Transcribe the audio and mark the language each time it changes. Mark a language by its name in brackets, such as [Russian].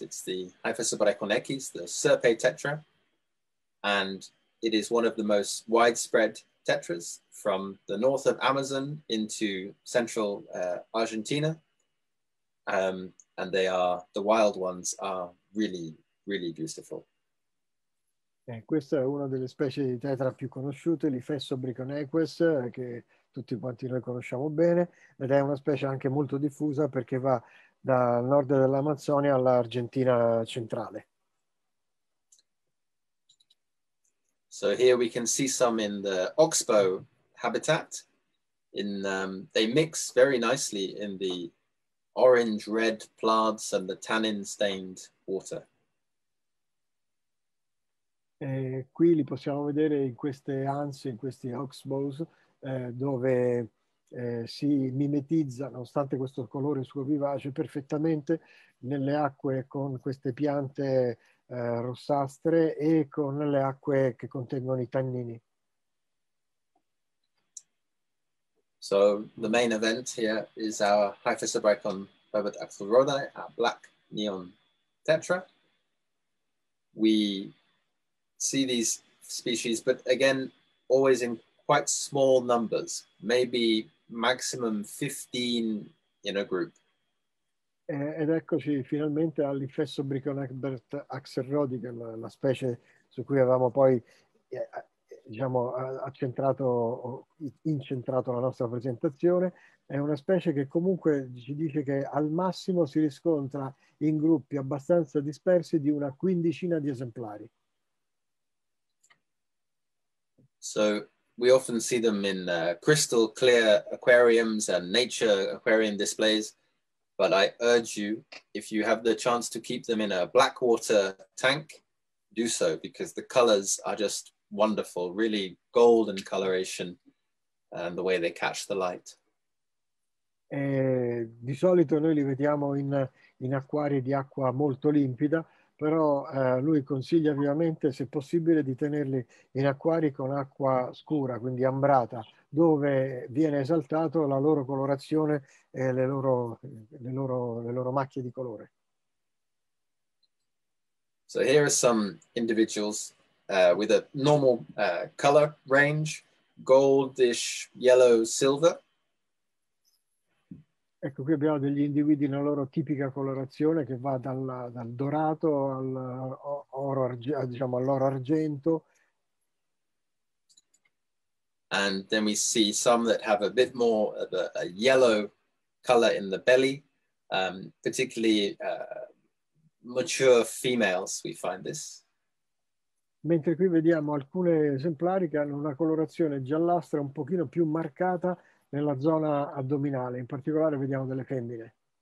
[English] It's the Iphysobrychon echis, the serpe tetra, and it is one of the most widespread tetras from the north of Amazon into central Argentina. And they are the wild ones are really, really beautiful. [Italian] Questa è una delle specie di tetra più conosciute, l'Ifessobrichon equus, che tutti quanti noi conosciamo bene, ed è una specie anche molto diffusa perché va dal nord dell'Amazzonia all'Argentina centrale. [English] So here we can see some in the oxbow habitat. They mix very nicely in the orange red plants and the tannin stained water. [Italian] Qui li possiamo vedere in queste anse, in questi oxbows, dove si mimetizza, nonostante questo colore suo vivace, perfettamente nelle acque con queste piante rossastre e con le acque che contengono I tannini. [English] So the main event here is our Hyphisobrachon herbertaxelrodi, our black neon tetra. We see these species, but again, always in quite small numbers, maybe maximum 15 in a group. [Italian] Ed eccoci finalmente all'Infestobrichon herbertaxelrodi, la specie su cui avevamo poi incentrato la nostra presentazione. È una specie che comunque ci dice che al massimo si riscontra in gruppi abbastanza dispersi di una quindicina di esemplari. [English] So we often see them in crystal clear aquariums and nature aquarium displays, but I urge you, if you have the chance to keep them in a black water tank, do so, because the colors are just wonderful, really golden coloration, and the way they catch the light. [Italian] Di solito noi li vediamo in acquari di acqua molto limpida, però lui consiglia vivamente, se possibile, di tenerli in acquari con acqua scura, quindi ambrata, dove viene esaltato la loro colorazione e le loro macchie di colore. [English] So here are some individuals with a normal color range, goldish, yellow, silver. [Italian] Ecco, qui abbiamo degli individui nella loro tipica colorazione che va dal dorato all'oro argento. [English] And then we see some that have a bit more of a yellow color in the belly, particularly mature females, we find this. [Italian] Mentre qui vediamo alcune esemplari che hanno una colorazione giallastra un pochino più marcata nella zona addominale, in particolare vediamo delle femmine.